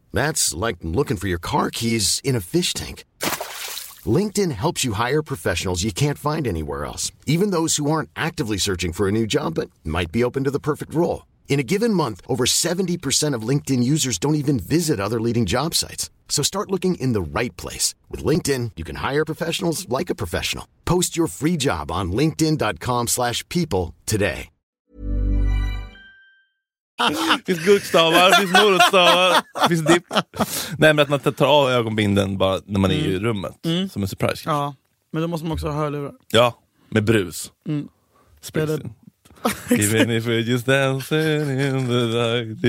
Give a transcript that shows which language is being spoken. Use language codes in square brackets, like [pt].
[en] That's like looking for your car keys in a fish tank. LinkedIn helps you hire professionals you can't find anywhere else, even those who aren't actively searching for a new job but might be open to the perfect role. In a given month, over 70% of LinkedIn users don't even visit other leading job sites. So start looking in the right place. With LinkedIn, you can hire professionals like a professional. Post your free job on linkedin.com/people today. [sv] Det finns guldstavar, det finns morotstavar, det finns dipp. Nej, men att man tar av ögonbinden bara när man är i rummet. Som en surprise. Ja, men då måste man också ha hörlurar. Ja, med brus. Spelar det. [en] Even if we're just dancing in the dark.